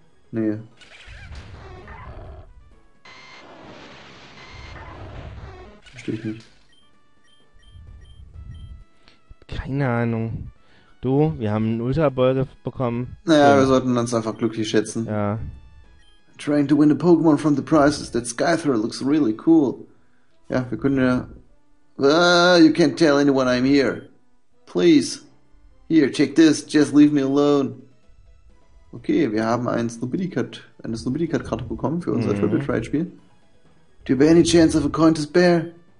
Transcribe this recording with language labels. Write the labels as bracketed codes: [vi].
[de] Nee. Verstehe ich nicht. Keine Ahnung. Du, wir haben einen Ultra-Ball bekommen. Naja, so. Wir sollten uns einfach glücklich schätzen. Ja. [en] Trying to win a Pokémon from the prizes. That Scyther looks really cool. [de] Ja, wir können ja... [en] you can't tell anyone I'm here. Please. Here, check this, just leave me alone. [de] Okay, wir haben eine Snobidicat-Karte bekommen für unser Triple Triad-Spiel. [en] Do you have any chance of a coin to spare?